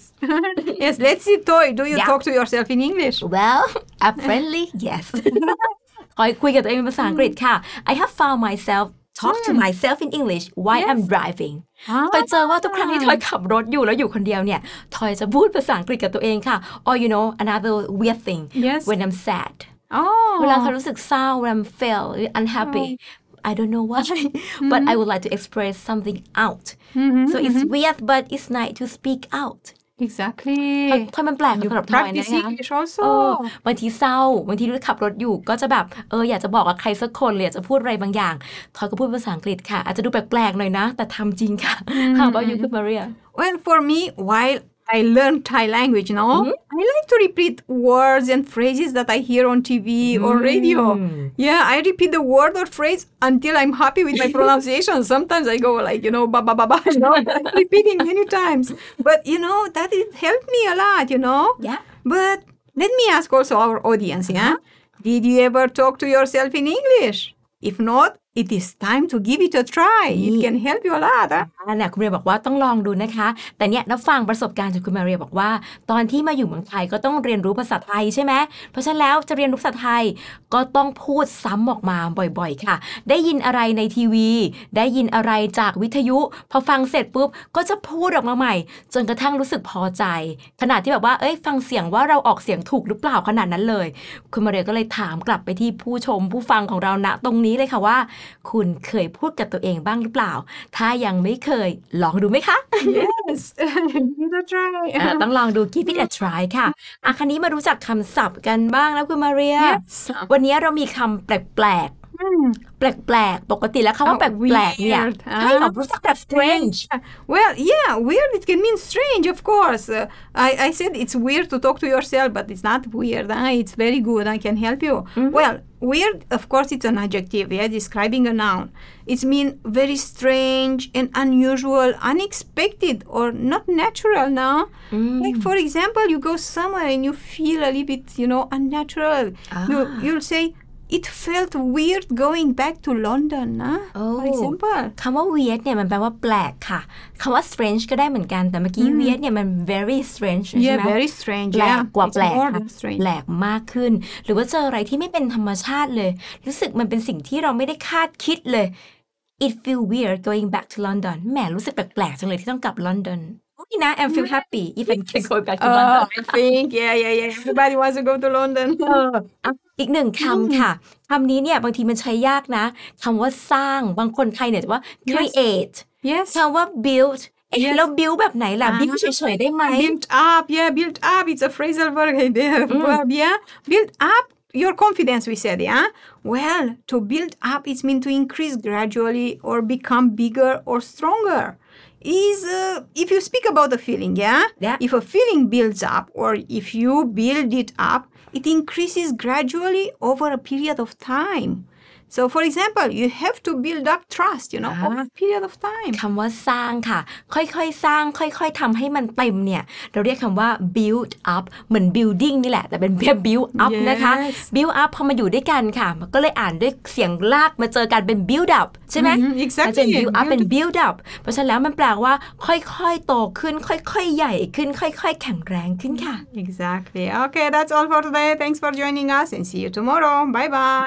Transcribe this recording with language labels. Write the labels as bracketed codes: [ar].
[en] Yes, let's see toy. Do you talk? To yourself in English. Well, apparently, yes. [th] I คุยกับตัวเองเป็นภาษาอังกฤษค่ะ. [en] I have found myself talk to myself in English while I'm driving. [th] ทอยเจอว่าทุกครั้งที่ทอยขับรถอยู่แล้วอยู่คนเดียวเนี่ย ทอยจะพูดภาษาอังกฤษกับตัวเองค่ะ. [en] Or you know, another weird thing. Yes. When I'm sad. Oh. [th] เวลาเขารู้สึกเศร้า [en] when I'm feel unhappy. I don't know why, but I would like to express something out. So it's weird, but it's nice to speak out. Exactly. [th] ทอยมันแปลกสำหรับทอยนะคะบางทีเศร้าบางทีรถขับรถอยู่ก็จะแบบอยากจะบอกกับใครสักคนหรืออยากจะพูดอะไรบางอย่างทอยก็พูดภาษาอังกฤษค่ะอาจจะดูแปลกๆหน่อยนะแต่ทำจริงค่ะ [en] How about you, Maria? Well, for me, while I learn Thai language, no, I like to repeat words and phrases that I hear on TV or radio. Yeah, I repeat the word or phrase until I'm happy with my pronunciation. Sometimes I go like, you know, ba ba ba ba, you know, repeating many times. But you know, that it helped me a lot, you know. Yeah. But let me ask also our audience. Yeah, did you ever talk to yourself in English? If not, it is time to give it a try it can help you a lot [th] นะคุณมาเรียบอกว่าต้องลองดูนะคะแต่เนี่ยนับฟังประสบการณ์จากคุณมาเรียบอกว่าตอนที่มาอยู่เมืองไทยก็ต้องเรียนรู้ภาษาไทยใช่ไหมเพราะฉะนั้นแล้วจะเรียนรู้ภาษาไทยก็ต้องพูดซ้ำออกมาบ่อยๆค่ะได้ยินอะไรในทีวีได้ยินอะไรจากวิทยุพอฟังเสร็จปุ๊บก็จะพูดออกมาใหม่จนกระทั่งรู้สึกพอใจ ขนาดที่แบบว่าเอ้ยฟังเสียงว่าเราออกเสียงถูกหรือเปล่าขนาดนั้นเลยคุณมาเรียก็เลยถามกลับไปที่ผู้ชมผู้ฟังของเราณตรงนี้เลยค่ะว่าคุณเคยพูดกับตัวเองบ้างหรือเปล่าถ้ายังไม่เคยลองดูไหมคะ [en] Yes give it a try [th] ต้องลองดู [en] give it a try [th] ค่ะอ่ะคราวนี้มารู้จักคำศัพท์กันบ้างแล้วคุณมาเรีย [en] Yes [th] วันนี้เรามีคำแปลกแปลกๆปกติแล้วคำว่าแปลกๆเนี่ยให้ความรู้สึกแบบ strange [en] well yeah weird it can mean strange of course I said it's weird to talk to yourself but it's not weird it's very good I can help you well weird of course it's an adjective yeah describing a noun it means very strange and unusual unexpected or not natural no like for example you go somewhere and you feel a little bit you know unnatural you'll say It felt weird going back to London, นะ For example. [th] คำว่า weird เนี่ยมันแปลว่าแปลกค่ะคำว่า strange ก็ได้เหมือนกันแต่เมื่อกี้ weird เนี่ยมัน [en] very strange [th] ใช่ไหม [en] Yeah, very strange. [th] แปลกกว่าแปลกค่ะแปลกมากขึ้นหรือว่าเจออะไรที่ไม่เป็นธรรมชาติเลยรู้สึกมันเป็นสิ่งที่เราไม่ได้คาดคิดเลย [en] It feel weird going back to London. [th] แหมรู้สึกแปลกๆจังเลยที่ต้องกลับ [en] LondonYou know, I feel happy if I can go back to London. I think, yeah. Everybody wants to go to London. [th] อีกหนึ่งคำค่ะคำนี้เนี่ยบางทีมันใช้ยากนะคำว่าสร้างบางคนไทยเนี่ยจะว่า create. [en] Yes. [th] คำว่า build. Yes. แล้ว build แบบไหนล่ะ build เฉยๆได้ไหม [en] Build up. Yeah, build up. It's a phrasal verb. Build up. Your confidence, we said, yeah? Well, to build up, it means to increase gradually or become bigger or stronger. If you speak about the feeling, yeah? If a feeling builds up or if you build it up, it increases gradually over a period of time. So, for example, you have to build up trust, you know, over a period of time. [th] คำว่าสร้างค่ะค่อยๆสร้างค่อยๆทำให้มันเต็มเนี่ยเราเรียกคำว่า build up เหมือน building นี่แหละแต่เป็นแบบ build up [en] yes. [th] นะคะ build up พอมาอยู่ด้วยกันค่ะก็เลยอ่านด้วยเสียงลากมาเจอกันเป็น build up ใช่ไหม [en] exactly. [th] จะเป็น build up เป็น build up เพราะฉะนั้นแล้วมันแปลว่าค่อยๆโตขึ้นค่อยๆใหญ่ขึ้นค่อยๆแข็งแรงขึ้นค่ะ [en] exactly okay that's all for today thanks for joining us and see you tomorrow bye bye